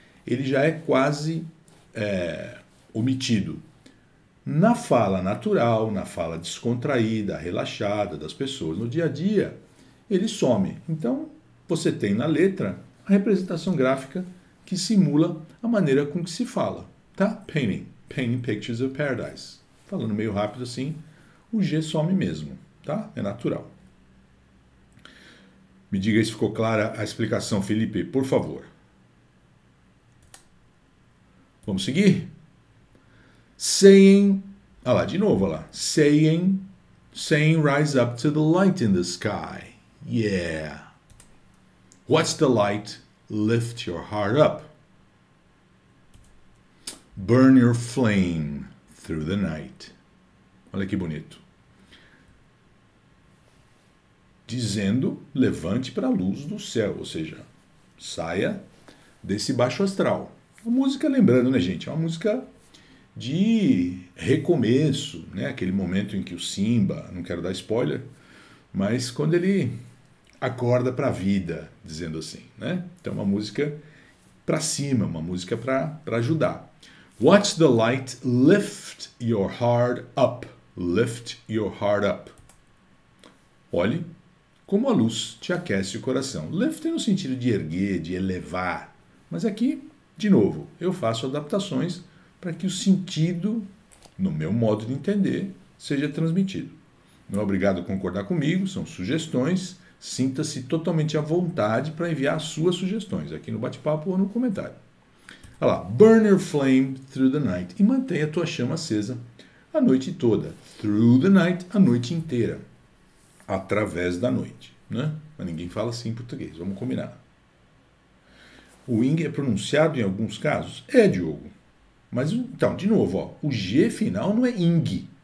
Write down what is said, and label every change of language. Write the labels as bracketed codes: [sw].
[pt] Ele já é quase omitido. Na fala natural, na fala descontraída, relaxada das pessoas no dia a dia, ele some. Então, você tem na letra a representação gráfica que simula a maneira com que se fala, tá? [en] Painting, painting pictures of paradise. [pt] Falando meio rápido assim, o G some mesmo, tá? É natural. Me diga se ficou clara a explicação, Felipe, por favor. Vamos seguir? Saying, olha lá, de novo, olha lá. [en] Saying, saying rise up to the light in the sky. Yeah. What's the light? Lift your heart up. Burn your flame through the night. [pt] Olha que bonito. Dizendo, levante para a luz do céu, ou seja, saia desse baixo astral. A música, lembrando, né, gente, é uma música de recomeço, né, aquele momento em que o Simba, não quero dar spoiler, mas quando ele acorda para a vida, dizendo assim, né, então uma música para cima, uma música para ajudar. [en] Watch the light, lift your heart up, lift your heart up. [pt] Olhe como a luz te aquece o coração. Lift no sentido de erguer, de elevar. Mas aqui, de novo, eu faço adaptações para que o sentido, no meu modo de entender, seja transmitido. Não é obrigado a concordar comigo, são sugestões. Sinta-se totalmente à vontade para enviar as suas sugestões aqui no bate-papo ou no comentário. Olha lá, [en] burn your flame through the night. [pt] E mantenha a tua chama acesa a noite toda. [en] Through the night, [pt] a noite inteira. Através da noite, né? Mas ninguém fala assim em português, vamos combinar. O wing é pronunciado em alguns casos? É, Diogo. Mas, então, de novo, ó, o G final não é ing.